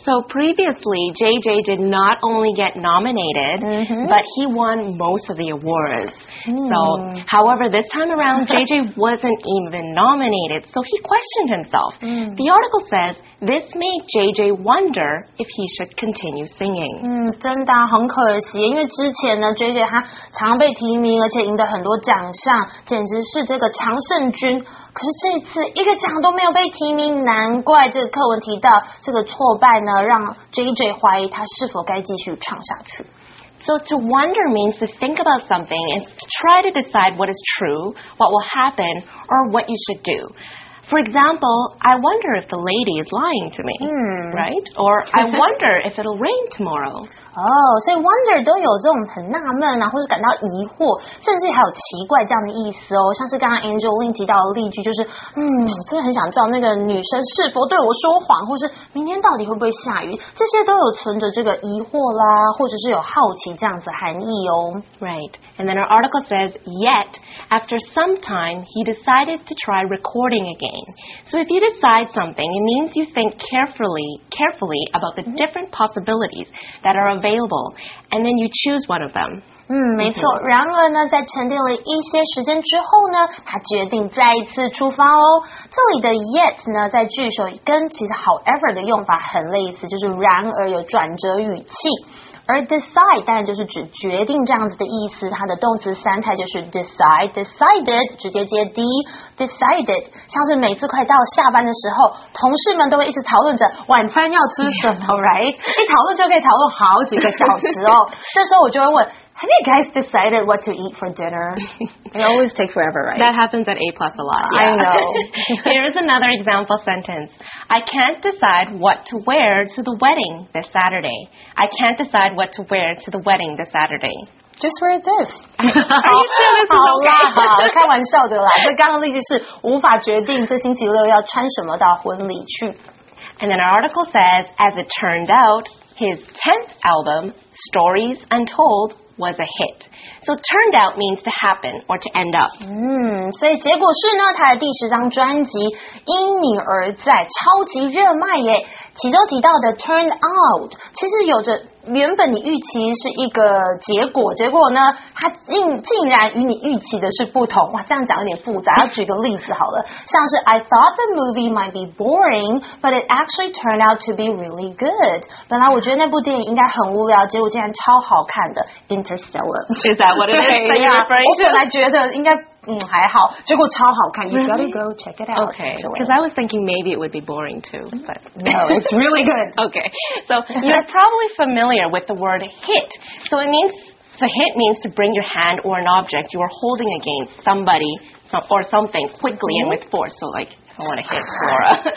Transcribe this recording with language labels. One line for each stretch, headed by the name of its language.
English: So previously, JJ did not only get nominated,、mm-hmm. but he won most of the awards.、Mm. So, however, this time around, JJ wasn't even nominated, so he questioned himself.、Mm. The article says,This made JJ wonder if he should continue singing.
Chinese: 真的、啊、很可惜，因为之前呢 ，JJ 他常被提名，而且赢得很多奖项，简直是这个常胜军。可是这一次一个奖都没有被提名，难怪这个课文提到这个挫败呢，让 JJ 怀疑他是否该继续唱下去。
English: So to wonder means to think about something and try to decide what is true, what will happen, or what you should do. For example, I wonder if the lady is lying to me,、mm. right? Or I wonder if it'll rain tomorrow.
Chinese: Oh, so wonder 都有这种很纳闷啊，或是感到疑惑，甚至还有奇怪这样的意思哦。像是刚刚 Angeline 提到的例句，就是真的很想知道那个女生是否对我说谎，或是明天到底会不会下雨，这些都有存着这个疑惑啦，或者是有好奇这样子含义哦。
English: Right, and then our article says, yet after some time, he decided to try recording again. So if you decide something, it means you think carefully about the different possibilities that are available, and then you choose one of them.
Chinese: 没错。然而呢，在沉淀了一些时间之后呢，他决定再一次出发哦。这里的 yet 呢，在句首跟其实 however 的用法很类似，就是然而有转折语气。而 decide 当然就是指决定这样子的意思，它的动词三态就是 decided 直接接 d decided， 像是每次快到下班的时候，同事们都会一直讨论着晚餐要吃什么、yeah. right 一讨论就可以讨论好几个小时哦。这时候我就会问
English: Have you guys decided what to eat for dinner? It always takes forever, right? That happens at A-plus a lot. Yeah. I know. Here is another example sentence. I can't decide what to wear to the wedding this Saturday. I can't decide what to wear to the wedding this Saturday. Just wear this. Are you sure this is okay?
Chinese: 好啦，开玩笑的啦。这刚刚的例子是无法决定这星期六要穿什么到婚礼去。
English: And then our article says, as it turned out, his 10th album, Stories Untold,was a hit. So turned out means to happen or to end up.
Chinese: 所以结果是呢，他的第十张专辑《因你而在》超级热卖耶。其中提到的 turned out， 其实有着原本你预期是一个结果，结果呢，它竟然与你预期的是不同。哇，这样讲有点复杂。要举个例子好了，像是
English: I thought the movie might be boring, but it actually turned out to be really good.
Chinese: 本来我觉得那部电影应该很无聊，结果竟然超好看的。
English: Interstellar. Is that what it is? That you're referring to?
Chinese: 我本来觉得应该还好，结果超好看。
English: Really? You gotta go check it out. Okay. Because I was thinking maybe it would be boring too, but no, it's really good. Okay. So you're probably familiar with the word hit. So it means, so hit means to bring your hand or an object you are holding against somebody or something quickly and with force. So like, I want to hit Flora.